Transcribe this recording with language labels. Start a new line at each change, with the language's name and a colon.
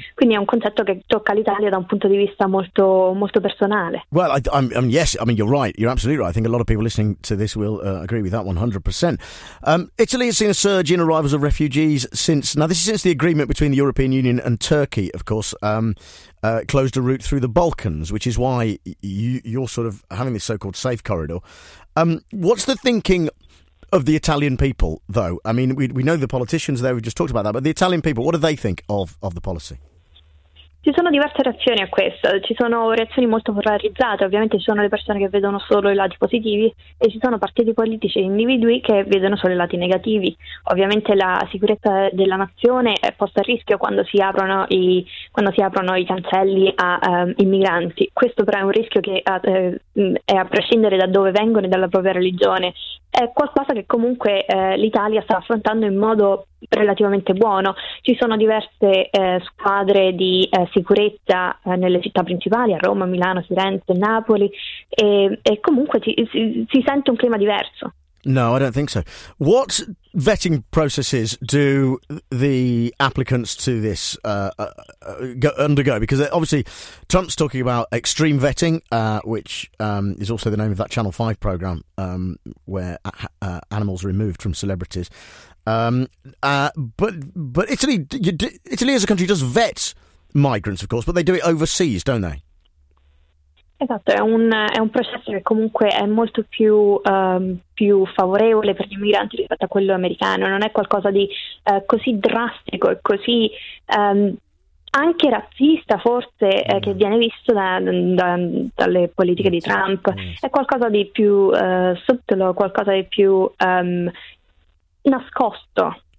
Italian: Quindi è un concetto che tocca l'Italia da un punto di vista molto, molto personale.
English: Well, I mean, you're right. You're absolutely right. I think a lot of people listening to this will agree with that 100%. Italy has seen a surge in arrivals of refugees since... Now, this is since the agreement between the European Union and Turkey, of course, closed a route through the Balkans, which is why you're sort of having this so-called safe corridor. What's the thinking of the Italian people, though? I mean, we know the politicians there, we've just talked about that, but the Italian people, what do they think of the policy?
Italian: Ci sono diverse reazioni a questo, ci sono reazioni molto polarizzate, ovviamente ci sono le persone che vedono solo i lati positivi e ci sono partiti politici e individui che vedono solo i lati negativi. Ovviamente la sicurezza della nazione è posta a rischio quando si aprono i cancelli a immigranti, questo però è un rischio che è a prescindere da dove vengono e dalla propria religione. È qualcosa che comunque l'Italia sta affrontando in modo relativamente buono. Ci sono diverse squadre di sicurezza nelle città principali, a Roma, Milano, Firenze, Napoli, e comunque si sente un clima diverso.
English: No, I don't think so. What vetting processes do the applicants to this undergo? Because obviously Trump's talking about extreme vetting, which is also the name of that Channel 5 program where animals are removed from celebrities. But Italy as a country does vet migrants, of course, but they do it overseas, don't they?
Italian: Esatto, è un processo che comunque è molto più, più favorevole per gli immigranti rispetto a quello americano, non è qualcosa di così drastico e così anche razzista forse che viene visto dalle politiche di Trump, è qualcosa di più sottile, qualcosa di più nascosto.